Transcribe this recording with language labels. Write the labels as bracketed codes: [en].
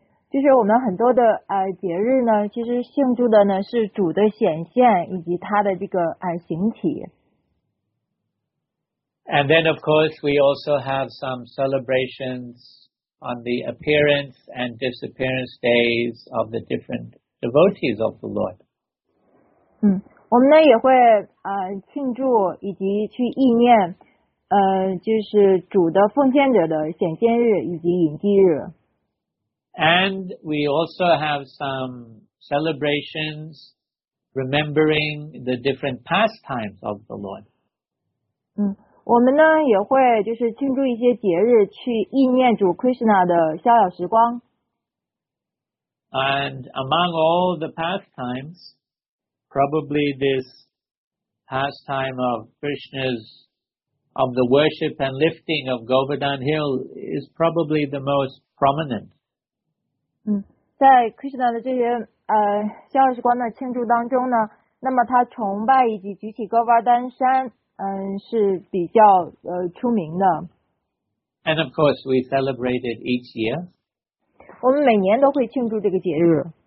[zh] 就是我们很多的节日呢，其实庆祝的呢是主的显现以及他的这个形体。 [en] And then, of course, we also have some celebrations on the appearance and disappearance days of the different devotees of the Lord. [zh] 我们呢也会庆祝以及去忆念就是主的奉献者的显现日以及隐居日。 [en] And we also have some celebrations remembering the different pastimes of the Lord. [zh] 我们呢也会就是庆祝一些节日去忆念主 Krishna 的逍遥时光。 [en] And among all the pastimes,Probably this pastime of Krishna's, of the worship and lifting of Govardhan Hill is probably the most prominent. [zh] 在 Krishna 的这些逍遥时光的庆祝当中呢，那么他崇拜以及举起高瓦丹山是比较出名的。 [en] And of course we celebrate it each year. [zh] 我们每年都会庆祝这个节日。